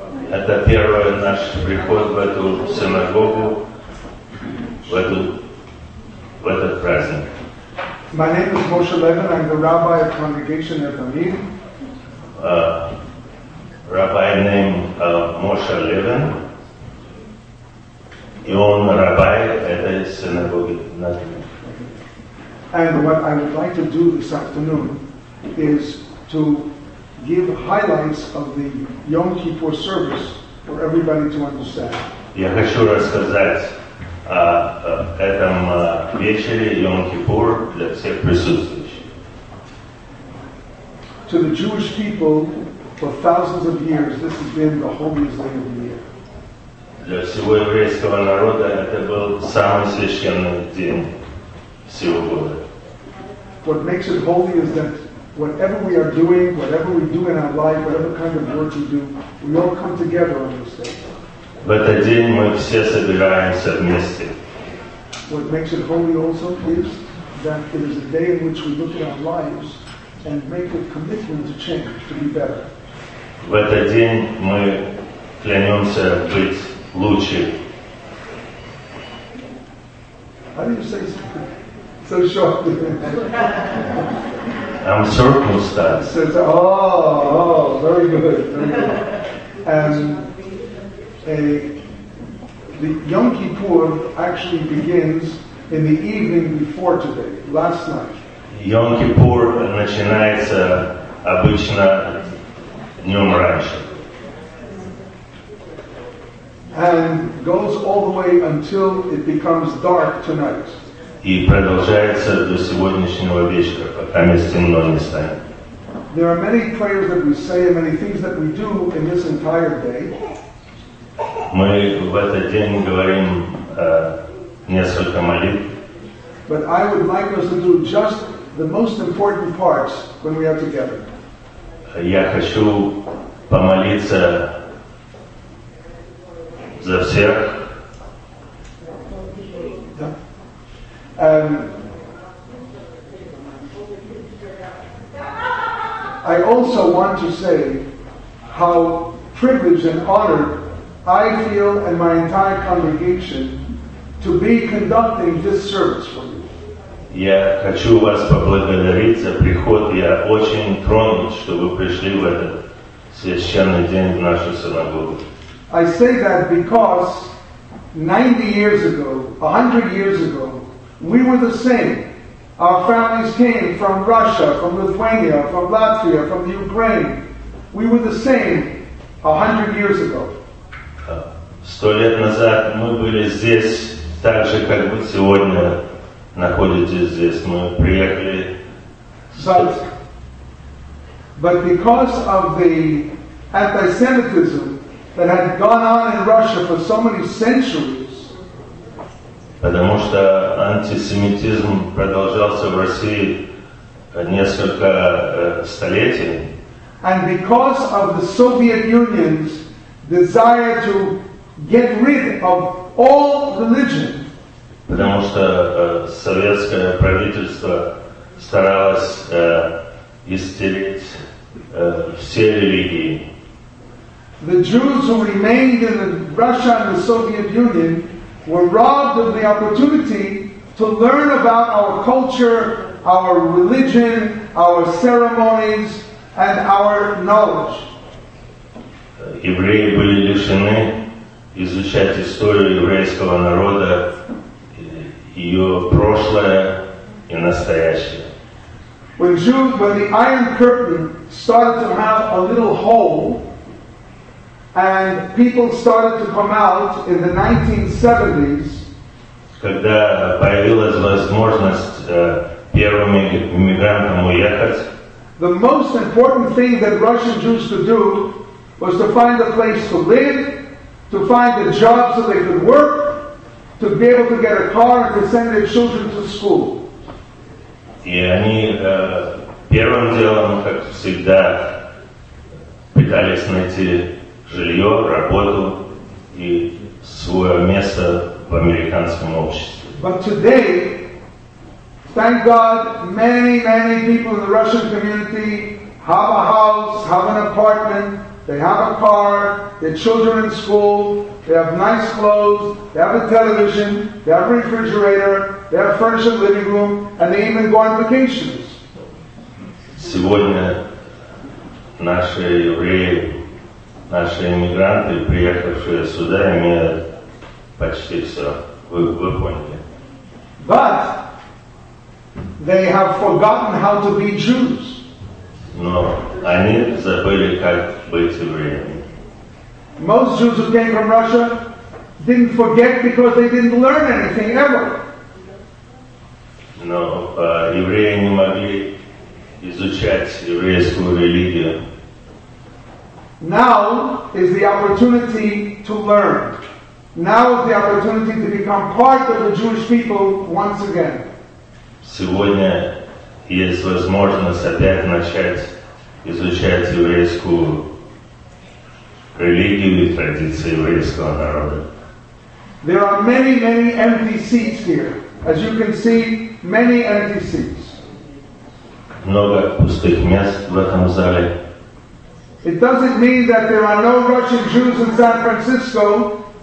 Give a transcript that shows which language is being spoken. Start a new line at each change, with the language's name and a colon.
Russian: Это первый наш приход в эту синагогу, в этот праздник.
English: My name is Moshe Levin. I'm the rabbi of Congregation of Amin. Rabbi name Moshe Levin.
Russian: И он рабай этой синагоги.
English: And what I would like to do this afternoon is to give highlights of the Yom Kippur service for everybody to understand.
Russian: Я хочу рассказать о этом вечере Йом Кипур для всех присутствующих.
English: To the Jewish people, for thousands of years, this has been the holiest day of the year.
Russian: Для всего еврейского народа это был самый священный день всего года.
English: What makes it holy is that whatever we are doing, whatever we do in our life, whatever kind of work we do, we all come together on this day.
Russian: В этот день мы все собираемся вместе.
English: What makes it holy also is that it is a day in which we look at our lives and make a commitment to change, to be better.
Russian: В этот день мы клянемся быть лучше.
English: How do you say so short? I'm circumstanced. So it's, oh, very good, very good. And the Yom Kippur actually begins in the evening before today, last night.
Russian: Yom Kippur начинается обычно днем раньше.
English: And goes all the way until it becomes dark tonight.
Russian: И продолжается до сегодняшнего вечера, пока не стемно не станет.
English: There are many prayers that we say and many things that we do in this entire day.
Russian: Мы в этот день говорим несколько молитв.
English: But I would like us to do just the most important parts when we are together.
Russian: Я хочу помолиться за всех.
English: I also want to say how privileged and honored I feel and my entire congregation to be conducting this service for you.
Russian: Я хочу вас поблагодарить за приход. Я очень тронут, что вы пришли в этот священный день в нашу синагогу.
English: I say that because 90 years ago, 100 years ago, we were the same. Our families came from Russia, from Lithuania, from Latvia, from the Ukraine. We were the same 100 years ago.
Russian: 100 лет назад мы были здесь, так же, как вы сегодня находитесь здесь. Мы приехали.
English: But because of the anti-Semitism that had gone on in Russia for so many centuries.
Russian: Потому что антисемитизм продолжался в России несколько столетий.
English: And because of the Soviet Union's desire to get rid of all religion.
Russian: Потому что советское правительство старалось истереть все религии.
English: The Jews who remained in Russia and the Soviet Union were robbed of the opportunity to learn about our culture, our religion, our ceremonies, and our knowledge.
Russian: Евреи были лишены изучать историю еврейского народа, ее прошлое и настоящее.
English: When the Iron Curtain started to have a little hole, and people started to come out in the 1970s,
Russian: когда появилась возможность первым иммигрантам уехать,
English: the most important thing that Russian Jews could do was to find a place to live, to find a job so they could work, to be able to get a car and to send their children to school.
Russian: И они первым делом, как всегда, пытались найти жилье, работу и свое место в американском обществе.
English: But today, thank God, many, many people in the Russian community have a house, have an apartment, they have a car, their children in school, they have nice clothes, they have a television, they have a refrigerator, they have furnished living room, and they even go on vacations.
Russian: Сегодня наши евреи, наши иммигранты, приехавшие сюда, имеют почти все. Вы поняли.
English: But they have forgotten how to be Jews.
Russian: Но они забыли, как быть евреями.
English: Most Jews who came from Russia didn't forget because they didn't learn anything ever.
Russian: Но евреи не могли изучать еврейскую религию.
English: Now is the opportunity to learn. Now is the opportunity to become part of the Jewish people once again.
Russian: Сегодня есть возможность опять начать изучать еврейскую религию и традиции еврейского народа.
English: There are many, many empty seats here. As you can see, many empty seats.
Russian: Много пустых мест в этом зале.
English: It doesn't mean that there are no Russian Jews in San Francisco.